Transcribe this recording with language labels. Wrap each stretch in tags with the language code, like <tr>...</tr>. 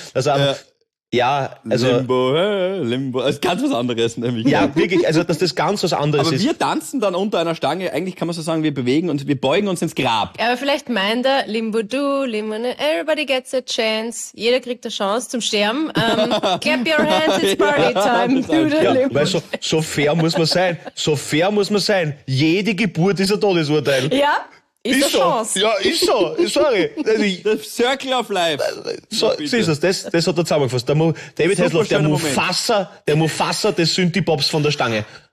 <de>Dass er ja, also... Limbo, Limbo, also ganz was anderes nämlich. Ja, wirklich, also dass das ganz was anderes aber ist. Aber wir tanzen dann unter einer Stange, eigentlich kann man so sagen, wir bewegen und wir beugen uns ins Grab. Ja, aber vielleicht meint er, Limbo du, Limbo,</de> <en>everybody gets a chance,</en> <de>jeder kriegt eine Chance zum Sterben.</de> <en>clap your hands, it's party time.</en> <de>Ja, ja, weil so fair muss man sein, so fair muss man sein, jede Geburt ist ein Todesurteil. Ja. Ist so. Ja, ist so. Sorry. Das Circle of Life. So, siehst du, das hat er zusammengefasst. David Hasselhoff, der Mufasa des Synthie-Pops von der Stange.</de>